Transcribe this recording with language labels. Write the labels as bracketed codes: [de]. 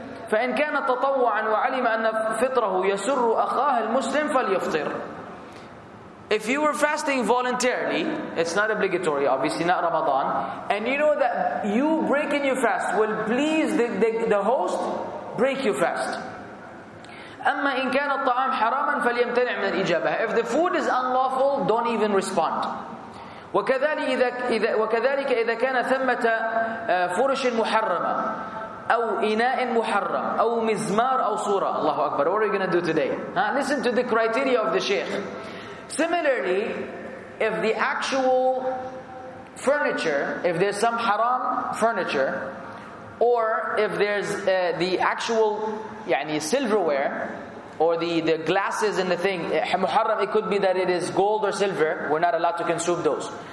[ar] فَإِنْ كَانَ تَطَوَّعًا وَعَلِمَ أَنَّ فِطْرَهُ يَسُرُّ أَخَاهَ الْمُسْلِمِ فَلْيَفْطِرْ. [en] If you were fasting voluntarily, it's not obligatory, obviously not Ramadan, and you know that you breaking your fast will please the host, break your fast. [ar] أما إن كان الطعام حراما فليمتنع من الإجابة. [en] If the food is unlawful, don't even respond. [ar] وكذلك إذا كان ثمة فرش محرمة أو إناء محرم أو مزمار أو صورة. الله أكبر. [en] What are you going to do today? Listen to the criteria of the Sheikh. Similarly, if the actual furniture, if there's some haram furniture, or if there's the actual يعني silverware, or the glasses in the thing, محرم, it could be that it is gold or silver, we're not allowed to consume those.